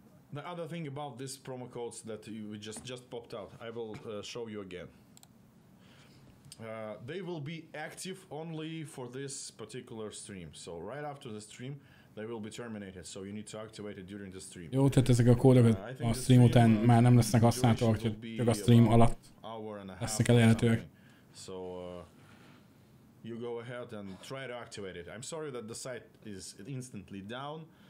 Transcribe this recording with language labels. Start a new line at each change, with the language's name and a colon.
English: The other thing about this promo codes that you just popped out, I will show you again. They will be active only for this particular stream. So right after the stream, they will be terminated. So you need to activate it during the stream.
Hungarian: Jó, tehát ezek a kódok a stream után már nem lesznek használhatóak, csak a stream alatt lesznek elérhetőek.
English: So you go ahead and try to activate it. I'm sorry that the site is instantly down.